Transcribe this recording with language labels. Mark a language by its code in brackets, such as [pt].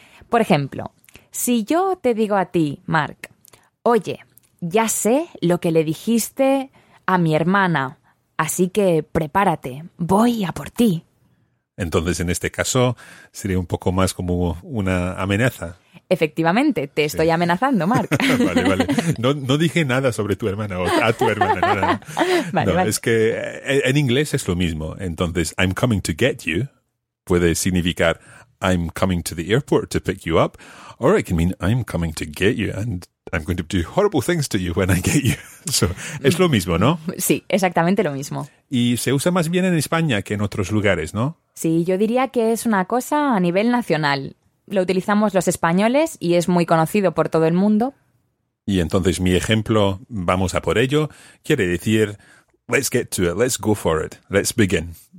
[es] Por ejemplo, si yo te digo a ti, Mark, oye, ya sé lo que le dijiste a mi hermana, así que prepárate, voy a por ti. Entonces, en este caso, sería un poco más como una amenaza. Efectivamente, te estoy amenazando, Mark. Vale, vale. No dije nada sobre tu hermana o a tu hermana. No, no. Vale. Es que en inglés es lo mismo. Entonces, [en] I'm coming to get you [es] puede significar [en] I'm coming to the airport to pick you up. Or it can mean I'm coming to get you and I'm going to do horrible things to you when I get you. So, [es] es lo mismo, ¿no? Sí, exactamente lo mismo. Y se usa más bien en España que en otros lugares, ¿no? Sí, yo diría que es una cosa a nivel nacional. Lo utilizamos los españoles y es muy conocido por todo el mundo. Y entonces mi ejemplo, vamos a por ello, quiere decir, [en] let's get to it, let's go for it, let's begin.